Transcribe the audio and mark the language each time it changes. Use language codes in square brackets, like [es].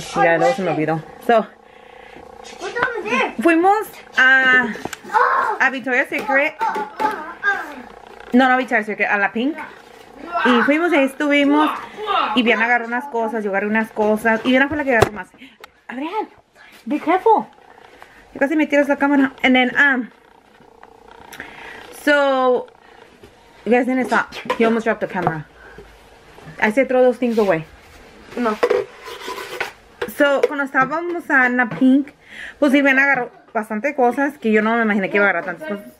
[es] Y ya luego se me olvidó. So, fuimos a Victoria's Secret. No, Victoria's Secret, a la Pink. Y fuimos, ahí estuvimos. Y Viana agarró unas cosas, yo agarré unas cosas. Y Viana fue la que agarró más. [en] Adrián, be careful. [es] Yo casi me tiras la cámara. [en] And then, so, you guys didn't stop. He almost dropped the camera. I said throw those things away. No. [es] So, cuando estábamos en la Pink, pues sí, Viana agarró bastante cosas que yo no me imaginé que iba a agarrar tantas cosas.